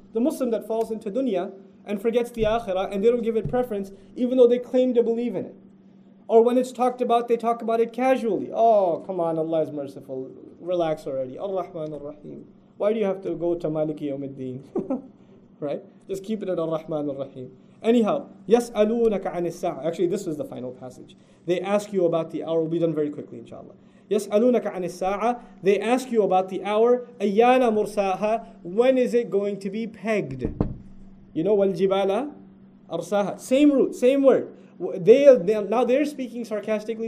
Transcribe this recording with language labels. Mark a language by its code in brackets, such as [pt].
[en] The Muslim that falls into dunya and forgets the akhirah and they don't give it preference even though they claim to believe in it. Or when it's talked about, they talk about it casually. Oh, come on, Allah is merciful. Relax already. Ar-Rahman, Ar-Rahim. Why do you have to go to Maliki Yawm al-Din? Right? Just keep it at Ar-Rahman Ar-Rahim. Anyhow, [ar] يَسْأَلُونَكَ عَنِ السَّاعَةِ. [en] Actually, this was the final passage. They ask you about the hour. We'll be done very quickly, inshallah. [ar] يَسْأَلُونَكَ عَنِ السَّاعَةِ. [en] They ask you about the hour. [ar] أَيَّانَ مُرْسَاهَا. [en] When is it going to be pegged? You know, [ar] وَالْجِبَالَ أَرْسَاهَا. [en] Same root, same word. Now they're speaking sarcastically.